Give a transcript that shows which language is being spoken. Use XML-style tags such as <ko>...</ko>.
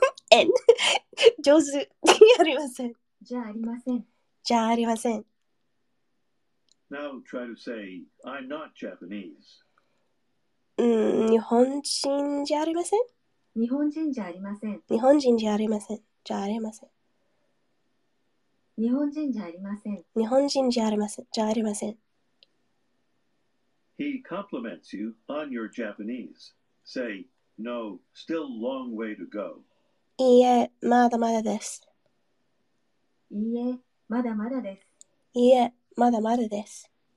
<ja>N 上手じゃありません。じゃありません。じゃありません。</ja> <en>Now try to say, I'm not Japanese.</en> <ja>日本人じゃありません。日本人じゃありません。日本人じゃありません。じゃありません。日本人じゃありません。日本人じゃありません。じゃありません。</ja> <en>He compliments you on your Japanese. Say,No, still long way to go.</en> <ja>いいえ、まだまだです。いいえ、まだまだです。いいえ、まだまだです。</ja>